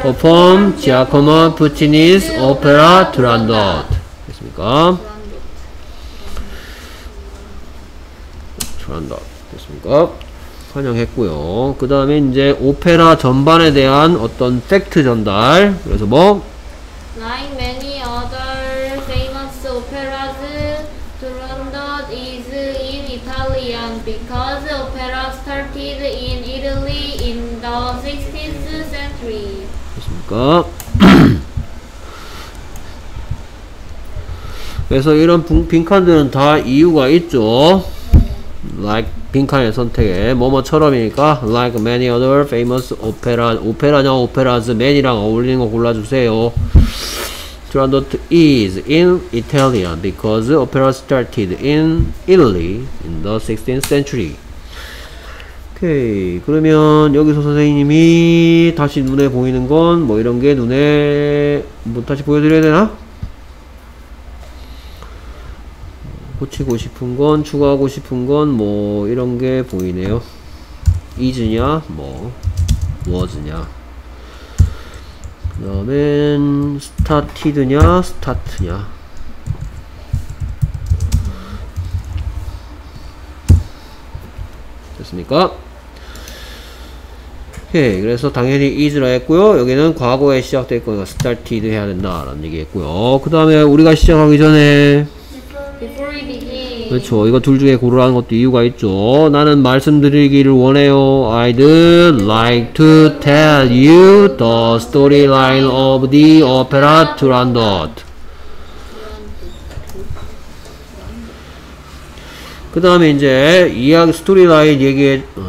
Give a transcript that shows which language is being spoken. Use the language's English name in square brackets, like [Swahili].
[English] perform Giacomo Puccini's opera Turandot. [Korean] 됐습니까? Turandot. 됐습니까? 환영했고요. 그 다음에 이제 오페라 전반에 대한 어떤 팩트 전달. 그래서 뭐? [English] Like many other famous operas, Turandot is in Italian because opera started in Italy in the 16th century. [Korean] 그렇습니까? 그래서 이런 빈칸들은 다 이유가 있죠. 네. Like 빈칸의 선택에 뭐뭐처럼이니까 [English] Like many other famous opera, [Korean] 오페라냐 오페라즈 many랑 어울리는 거 골라주세요. [English] Turandot is in Italian because opera started in Italy in the 16th century. [Korean] 오케이. 그러면 여기서 선생님이 다시 눈에 보이는 건 뭐 이런 게 눈에 뭐 다시 보여드려야 되나? 고치고 싶은 건 추가하고 싶은 건 뭐 이런 게 보이네요. is냐 뭐 was냐 그 다음에 started냐 start냐 됐습니까? 오케이. 그래서 당연히 is라 했고요. 여기는 과거에 시작될 거니까 started 해야 된다라는 얘기 했고요. 그 다음에 우리가 시작하기 전에 [English] before we [Korean] begin. 그렇죠. 이거 둘 중에 고르라는 것도 이유가 있죠. 나는 말씀드리기를 원해요. [English] I'd like to tell you the storyline of the opera Turandot. [Korean] 그 다음에 이제 이야기 스토리라인 얘기해.